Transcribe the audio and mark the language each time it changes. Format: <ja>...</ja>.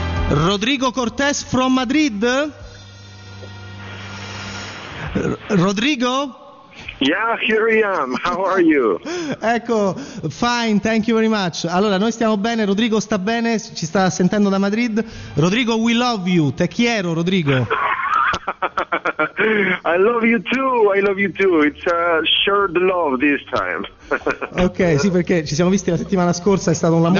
<en>Rodrigo Cortés from Madrid? Rodrigo? Yeah, here I am. How are you? Ecco, fine, thank you very much.</en> <it>Allora, noi stiamo bene, Rodrigo sta bene, ci sta sentendo da Madrid.</it> <en>Rodrigo, we love you.</en> <es>Te quiero,</es> <en>Rodrigo. I love you too, I love you too. It's a shared love this time.</en> <it>Ok, sì, perché ci siamo visti la settimana scorsa, è stato un amore.</it>